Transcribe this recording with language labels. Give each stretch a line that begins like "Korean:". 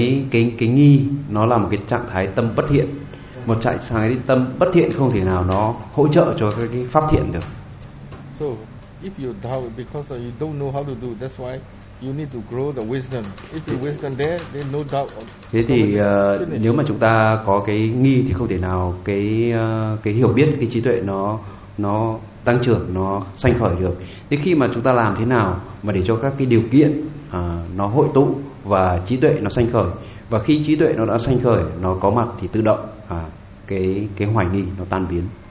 Vietnamese: Cái nghi nó là một cái trạng thái tâm bất thiện. Một trạng thái tâm bất thiện không thể nào nó hỗ trợ cho cái pháp thiện được.
English: So if you doubt because you don't know how to do, that's why you need to grow the wisdom. If the wisdom there, then no doubt.
Vietnamese: Thế thì nếu mà chúng ta có cái nghi thì không thể nào cái hiểu biết, cái trí tuệ nó tăng trưởng, nó sanh khởi được. Thế khi mà chúng ta làm thế nào mà để cho các cái điều kiện nó hội tụ và trí tuệ nó sanh khởi, và khi trí tuệ nó đã sanh khởi, nó có mặt, thì tự động cái hoài nghi nó tan biến.